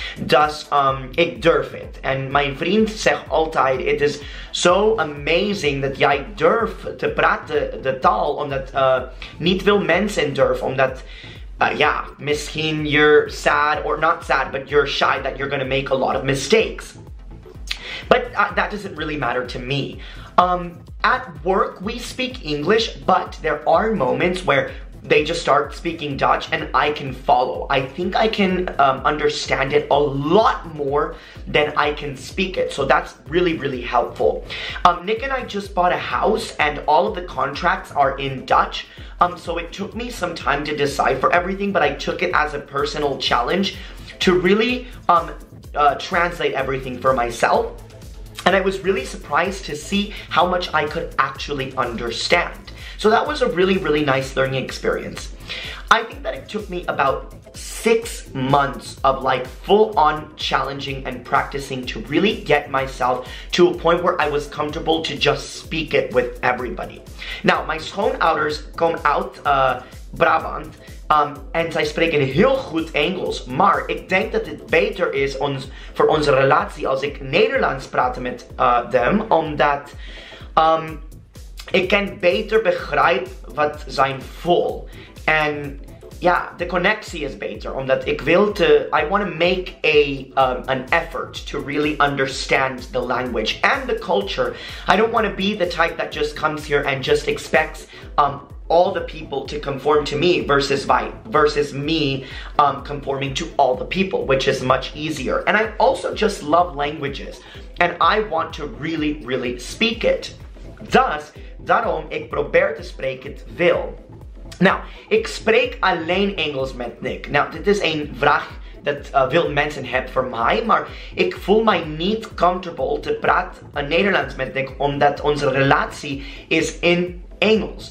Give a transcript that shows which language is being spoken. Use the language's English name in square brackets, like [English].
[Dutch] Dus ik durf het. En mijn vriend zegt altijd, [English] it is so amazing [Dutch] dat jij durft te praten de taal, omdat niet veel mensen durven, omdat misschien [English] you're sad, or not sad, but you're shy that you're gonna make a lot of mistakes. But that doesn't really matter to me. At work, we speak English, but there are moments where they just start speaking Dutch and I can follow. I think I can understand it a lot more than I can speak it. So that's really, really helpful. Nick and I just bought a house and all of the contracts are in Dutch. So it took me some time to decipher everything, but I took it as a personal challenge to really translate everything for myself. And I was really surprised to see how much I could actually understand. So that was a really, really nice learning experience. I think that it took me about 6 months of like full on challenging and practicing to really get myself to a point where I was comfortable to just speak it with everybody. Now, my [Dutch] schoonouders kom uit Brabant. En zij spreken heel goed Engels, maar ik denk dat het beter is ons, voor onze relatie als ik Nederlands praat met hem, omdat ik kan beter begrijpen wat zijn voel. En ja, de connectie is beter, omdat ik wil te, [English] I want to make a, an effort to really understand the language and the culture. I don't want to be the type that just comes here and just expects all the people to conform to me versus me conforming to all the people, which is much easier. And I also just love languages and I want to really, really speak it. Thus, [Dutch] daarom ik probeer te spreken het wil. [English] Now, [Dutch] ik spreek alleen Engels met Nick. Now, dit is een vraag dat veel mensen hebben voor mij, maar ik voel mij niet comfortable te praten Nederlands met Nick, omdat onze relatie is in Engels.